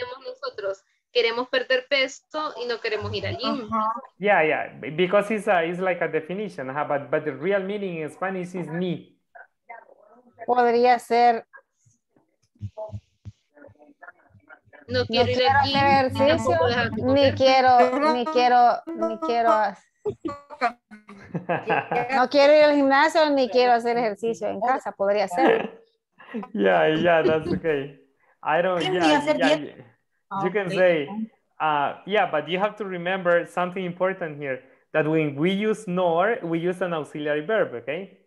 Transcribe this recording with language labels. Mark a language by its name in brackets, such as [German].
[Spanish] Nosotros queremos perder peso y no queremos ir al gym. Uh-huh. [English] Yeah, because it's like a definition, but the real meaning in Spanish is ni. [Spanish] Podría ser. No quiero ir al gimnasio, ni quiero. No quiero ir al gimnasio ni quiero hacer ejercicio en casa, podría ser. [English] Yeah, that's okay. You can say, but you have to remember something important here. that when we use nor, we use an auxiliary verb, okay?